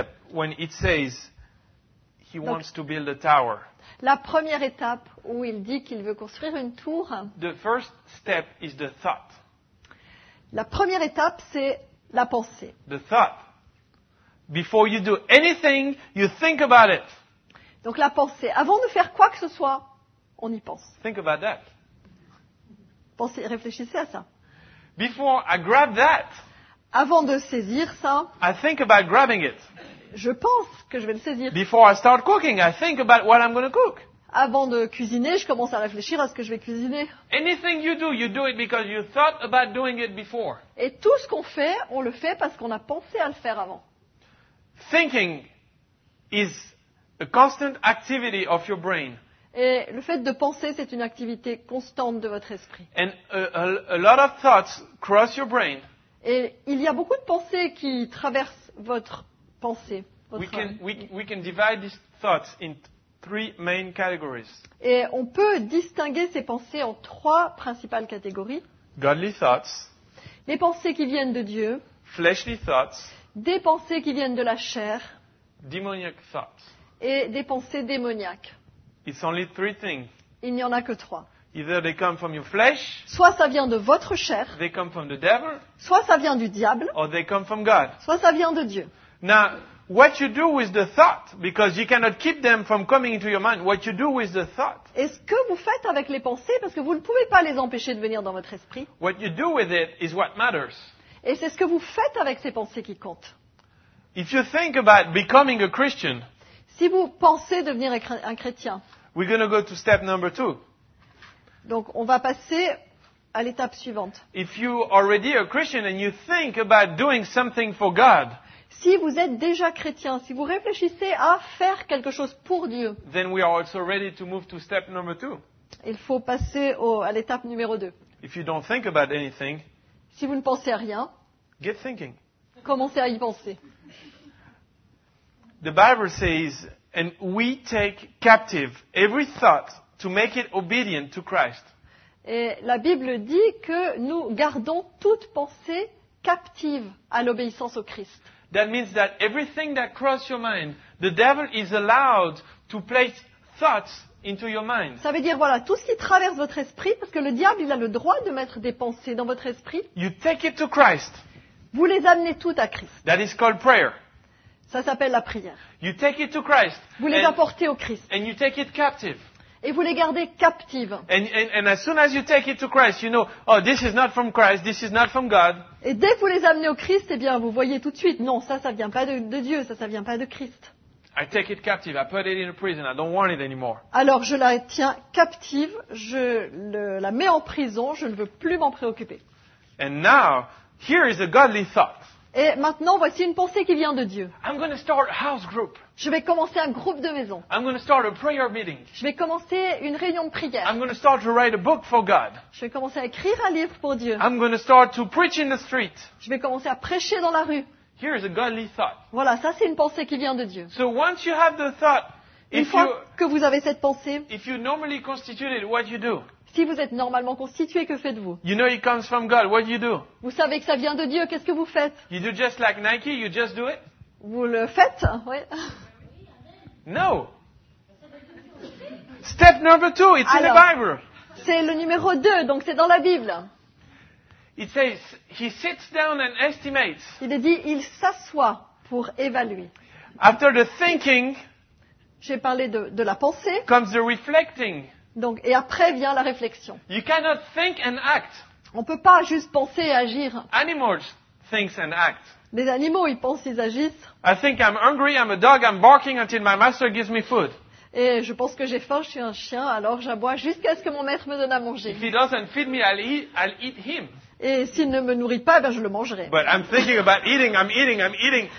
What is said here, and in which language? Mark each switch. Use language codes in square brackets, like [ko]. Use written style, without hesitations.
[en] When it says he wants to build a tower. [fr] La première étape où il dit qu'il veut construire une tour. [en] The first step is the thought. [fr] La première étape, c'est la pensée. [en] The thought. Before you do anything, you think about it. [fr] Donc la pensée. Avant de faire quoi que ce soit, on y pense. [en] Think about that. [fr] Pensez, réfléchissez à ça. [en] Before I grab that. [fr] Avant de saisir ça. [en] I think about grabbing it. [fr] Je pense que je vais le saisir. [en] Before I start cooking, I think about what I'm going to cook. [fr] Avant de cuisiner, je commence à réfléchir à ce que je vais cuisiner. [en] Anything you do it because you thought about doing it before. [fr] Et tout ce qu'on fait, on le fait parce qu'on a pensé à le faire avant. [en] Thinking is a constant activity of your brain. [fr] Et le fait de penser, c'est une activité constante de votre esprit. [en] And a lot of thoughts cross your brain. [fr] Et il y a beaucoup de pensées qui traversent votre pensée. [en] We can divide these thoughts in three main categories. [fr] Et on peut distinguer ces pensées en trois principales catégories. [en] Godly thoughts. [fr] Les pensées qui viennent de Dieu. [en] Fleshly thoughts. [fr] Des pensées qui viennent de la chair. [en] Demonic thoughts. [fr] Et des pensées démoniaques. [en] It's only three things. [fr] Il n'y en a que trois. [en] Either they come from your flesh. [fr] Soit ça vient de votre chair. [en] They come from the devil. [fr] Soit ça vient du diable. [en] Or they come from God. [fr] Soit ça vient de Dieu. [en] Now, what you do with the thought, because you cannot keep them from coming into your mind, what you do with the thought. [fr] Est-ce que vous faites avec les pensées, parce que vous ne pouvez pas les empêcher de venir dans votre esprit. [en] What you do with it is what matters. [fr] Et c'est ce que vous faites avec ces pensées qui compte. [en] If you think about becoming a Christian. [fr] Si vous pensez devenir un chrétien. [en] We're going to go to step number two. [fr] Donc on va passer à l'étape suivante. [en] If you already are a Christian and you think about doing something for God. [fr] Si vous êtes déjà chrétien, si vous réfléchissez à faire quelque chose pour Dieu, [en] then we are also ready to move to step number two. [fr] Il faut passer à l'étape numéro 2. [en] If you don't think about anything, [fr] si vous ne pensez à rien, [en] get thinking. [fr] Commencez à y penser. [en] The Bible says, and we take captive every thought to make it obedient to Christ. [fr] Et la Bible dit que nous gardons toute pensée captive à l'obéissance au Christ. [en] That means that everything that crosses your mind, the devil is allowed to place thoughts into your mind. [fr] Ça veut dire voilà, tout ce qui traverse votre esprit, parce que le diable, il a le droit de mettre des pensées dans votre esprit. [en] You take it to Christ. [fr] Vous les amenez toutes à Christ. [en] That is called prayer. [fr] Ça s'appelle la prière. [en] You take it to Christ. [fr] Vous les apportez au Christ. [en] And you take it captive. [fr] Et vous les gardez captives. [en] And as soon as you take it to Christ, you know, oh, this is not from Christ, this is not from God. [fr] Et dès que vous les amenez au Christ, eh bien, vous voyez tout de suite, non, ça ne vient pas de Dieu, ça ne vient pas de Christ. [en] I take it captive, I put it in a prison, I don't want it anymore. [fr] Alors, je la tiens captive, la mets en prison, je ne veux plus m'en préoccuper. [en] And now, here is a godly thought. [fr] Et maintenant, voici une pensée qui vient de Dieu. [en] I'm going to start a house group. [fr] Je vais commencer un groupe de maison. [en] I'm going to start a prayer meeting. [fr] Je vais commencer une réunion de prière. [en] I'm going to start to write a book for God. [fr] Je vais commencer à écrire un livre pour Dieu. [en] I'm going to start to preach in the street. [fr] Je vais commencer à prêcher dans la rue. [en] Here is a godly thought. [fr] Voilà, ça c'est une pensée qui vient de Dieu. [en] So once you have the thought, [fr] que vous avez cette pensée, [en] if you normally constituted, what you do? [fr] Si vous êtes normalement constitué, que faites-vous? [en] You know it comes from God. What do? [fr] Vous savez que ça vient de Dieu. Qu'est-ce que vous faites? [en] You do just like Nike. You just do it. [fr] Vous le faites, oui. [en] No. Step number two. It's [fr] alors, [en] in the Bible. [fr] C'est le numéro 2, donc c'est dans la Bible. [en] It says he sits down and estimates. [fr] Il est dit, il s'assoit pour évaluer. [en] After the thinking. [fr] J'ai parlé de la pensée. [en] Comes the reflecting. [fr] Donc, et après vient la réflexion. [en] You cannot think and act. [fr] On ne peut pas juste penser et agir. [en] Animals think and act. [fr] Les animaux, ils pensent, ils agissent. [en] I think I'm hungry, I'm a dog, I'm barking until my master gives me food. [fr] Et je pense que j'ai faim, je suis un chien, alors j'aboie jusqu'à ce que mon maître me donne à manger. [en] If he doesn't feed me, I'll eat him. [fr] Et s'il ne me nourrit pas, ben je le mangerai. [en] But I'm thinking about eating, I'm eating, I'm eating.